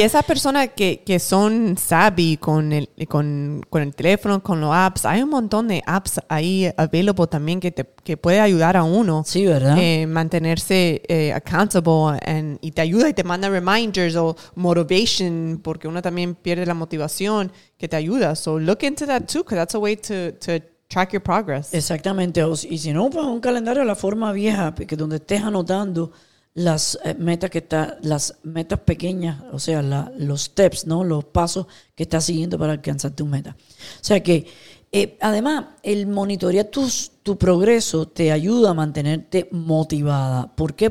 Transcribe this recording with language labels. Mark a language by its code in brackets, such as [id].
[es] Y esas personas que son savvy con el teléfono, con los apps, hay un montón de apps ahí [en] available [es] también que puede ayudar a uno. Sí, ¿verdad? Mantenerse [en] accountable [es] y te ayuda y te manda [en] reminders [es] o [en] motivation, [es] porque uno también pierde la motivación, que te ayuda. [en] So look into that too, because that's a way to track your progress. [es] Exactamente. Y si no, pues un calendario de la forma vieja, que donde estés anotando las metas las metas pequeñas, o sea, los [en] steps, [es] ¿no? Los pasos que estás siguiendo para alcanzar tu meta. O sea que, además, el monitorear tu progreso te ayuda a mantenerte motivada. ¿Por qué?